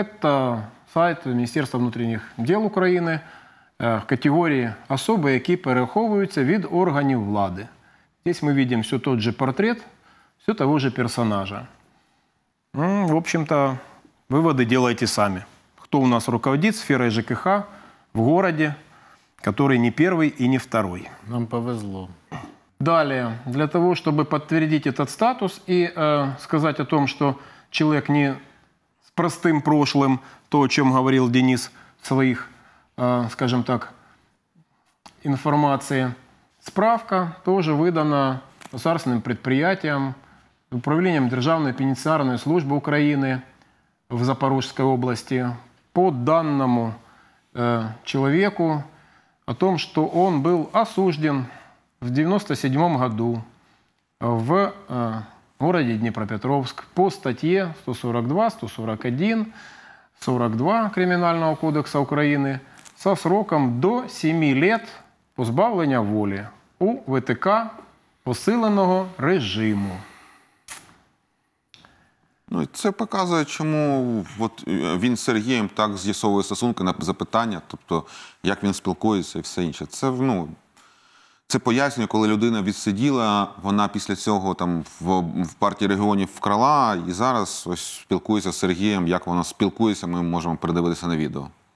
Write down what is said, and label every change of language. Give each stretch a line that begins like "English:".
Ukrainian: Це сайт Міністерства внутрішніх справ України, категорії особи, які переховуються від органів влади. Тут ми бачимо все той же портрет, все того ж персонажа. В общем-то, виводи робите самі. Хто у нас руководить сферою ЖКХ в місті, який не перший і не другий? Нам повезло.
Russian: Далее, для того, чтобы подтвердить этот статус и сказать о том, что человек не с простым прошлым, то, о чем говорил Денис в своих, скажем так, информации, справка тоже выдана государственным предприятием, управлением Державной пенитенциарной службы Украины в Запорожской области по данному человеку о том, что он был осужден в 97 году в городе Днепропетровск по статье 142, 141, 42 Криминального кодекса Украины со сроком до 7 лет
Ukrainian: позбавлення воли у ВТК посиленого режиму. Ну, це показує, чому от він з Сергієм так з'ясовує стосунки на запитання, тобто як він спілкується і все інше. Це, ну, це пояснює, коли людина відсиділа, вона після цього там в Партії регіонів вкрала, і зараз ось спілкується з Сергієм, як вона спілкується, ми можемо передивитися на відео.